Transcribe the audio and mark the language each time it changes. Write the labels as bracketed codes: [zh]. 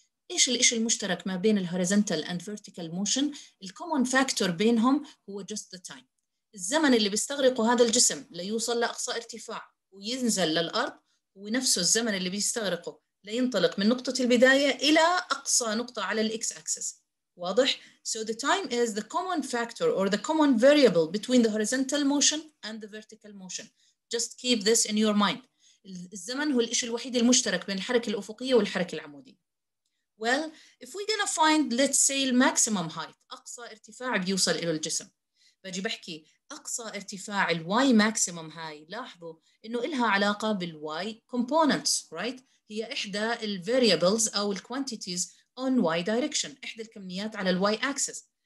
[ar] إيش الإشي المشترك ما بين الـ horizontal and vertical motion؟ الـ common factor بينهم هو [en] just the time، [ar] الزمن اللي بيستغرقه هذا الجسم ليوصل لأقصى ارتفاع وينزل للأرض هو نفسه الزمن اللي بيستغرقه لينطلق من نقطة البداية إلى أقصى نقطة على الإكس أكسس. واضح؟ [en] So the time is the common factor or the common variable between the horizontal motion and the vertical motion. Just keep this in your mind. [ar] الزمن هو الإشي الوحيد المشترك بين الحركة الأفقية والحركة العمودية. [en] Well, if we're gonna find, let's say, maximum height, [ar] أقصى ارتفاع بيوصل إلى الجسم. باجي بحكي أقصى ارتفاع الـ y maximum هاي، لاحظوا إنه إلها علاقة بالـ y components, right؟ هي إحدى الـ variables أو الـ quantities [en] on y direction، [ar] إحدى الكميات على الـ y axis.